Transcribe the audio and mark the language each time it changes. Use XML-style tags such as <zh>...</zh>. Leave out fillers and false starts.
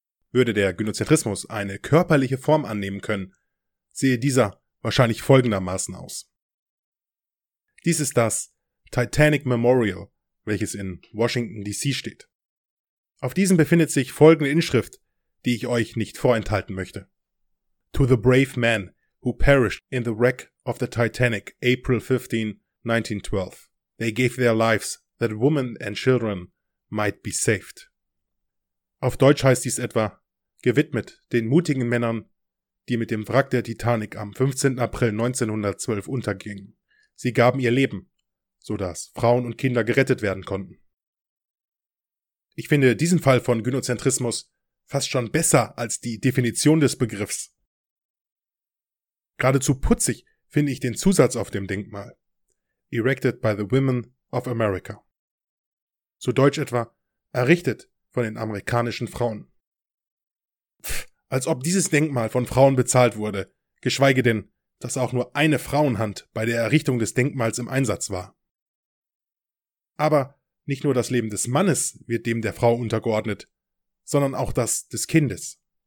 <de>würde der Gynozentrismus eine körperliche Form annehmen können, sehe dieser wahrscheinlich folgendermaßen aus. Dies ist das Titanic Memorial, welches in Washington DC steht. Auf diesem befindet sich folgende Inschrift, die ich euch nicht vorenthalten möchte.</de> <en>To the brave man who perished in the wreck of the Titanic, April 15, 1912. They gave their lives that women and children might be saved.</en> <de>Auf Deutsch heißt dies etwa, gewidmet den mutigen Männern, die mit dem Wrack der Titanic am 15. April 1912 untergingen. Sie gaben ihr Leben, sodass Frauen und Kinder gerettet werden konnten. Ich finde diesen Fall von Gynozentrismus fast schon besser als die Definition des Begriffs. Geradezu putzig finde ich den Zusatz auf dem Denkmal.</de> <en>Erected by the Women of America.</en> <de>Zu Deutsch etwa, errichtet von den amerikanischen Frauen. Pff, als ob dieses Denkmal von Frauen bezahlt wurde, geschweige denn, dass auch nur eine Frauenhand bei der Errichtung des Denkmals im Einsatz war. Aber nicht nur das Leben des Mannes wird dem der Frau untergeordnet, sondern auch das des Kindes.</de>